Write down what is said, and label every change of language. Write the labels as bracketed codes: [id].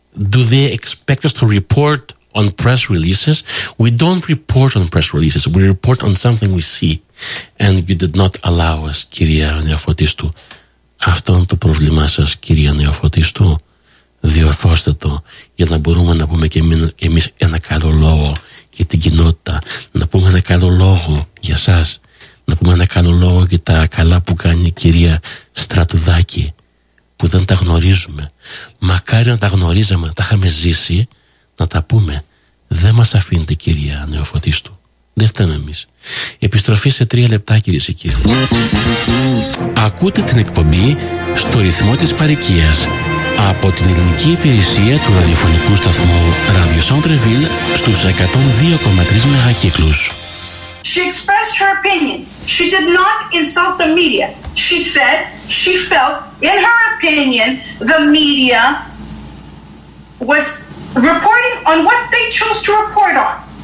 [en] Do they expect us to report on press releases? We don't report on press releases. We report on something we see. And you did not allow us, κυρία Νεοφωτίστου. [el] Αυτό είναι το πρόβλημά σας, κυρία Νεοφωτίστου. Διορθώστε το για να μπορούμε να πούμε και εμείς ένα καλό λόγο για την κοινότητα. Να πούμε ένα καλό λόγο για σας. Να πούμε ένα καλό λόγο για τα καλά που κάνει η κυρία Στρατουδάκη, που δεν τα γνωρίζουμε. Μακάρι να τα γνωρίζαμε, να τα είχαμε ζήσει, να τα πούμε. Δεν μας αφήνεται, κυρία Νεοφωτίστου. Δεν φταίμε εμείς. Επιστροφή σε 3 λεπτά, κυρίες και κύριοι. Ακούτε την εκπομπή στο ρυθμό της παροικίας από την ελληνική υπηρεσία του ραδιοφωνικού σταθμού Radio Centreville στους 102,3 μεγακύκλους. [en] She expressed her opinion. She did not insult the media. She said she felt, in her opinion, the media was reporting on what they chose to report on.